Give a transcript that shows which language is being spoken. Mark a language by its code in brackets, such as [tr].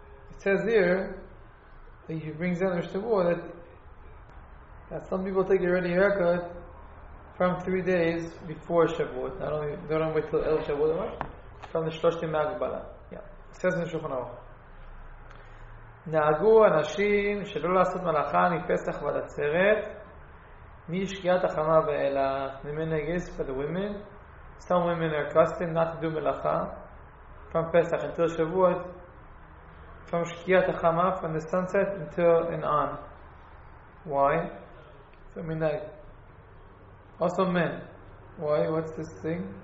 [en] It says here that he brings down the Shavuot that some people take a haircut from 3 days before Shavuot. Not only they don't wait till El Shavuot, from the Shlosh Yom Hagbala. Yeah. It says in the Shulchan Aruch. [he] נהגו אנשים שלא לעשות מלאכה מפסח ועד עצרת משקיעת החמה ואילך. ממנה גייס [en] for the women. Some women are accustomed not to do מלאכה from פסח until שבוע, from שקיעת החמה, from the sunset until and on. Why? For midnight. Also men. Why? What's this thing?